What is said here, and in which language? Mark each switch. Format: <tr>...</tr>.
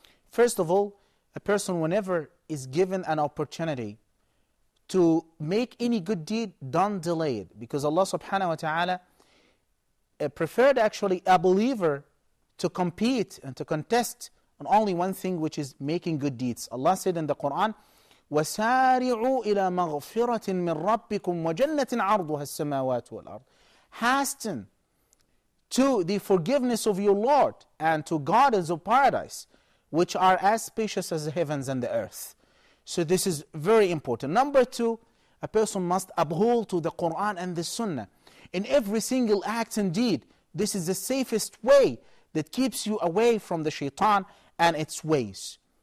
<en>First of all, a person whenever is given an opportunity to make any good deed, don't delay it. Because Allah subhanahu wa ta'ala preferred actually a believer to compete and to contest and only one thing, which is making good deeds. Allah said in the Quran,</en> <ar>وَسَارِعُوا إِلَى مَغْفِرَةٍ مِّن رَبِّكُمْ وَجَنَّةٍ عَرْضُهَا السَّمَاوَاتُ وَالْأَرْضِ.</ar> <en>Hasten to the forgiveness of your Lord and to gardens of paradise, which are as spacious as the heavens and the earth. So this is very important. Number two, a person must uphold to the Quran and the Sunnah. In every single act and deed, this is the safest way that keeps you away from the shaitan and its ways.</en>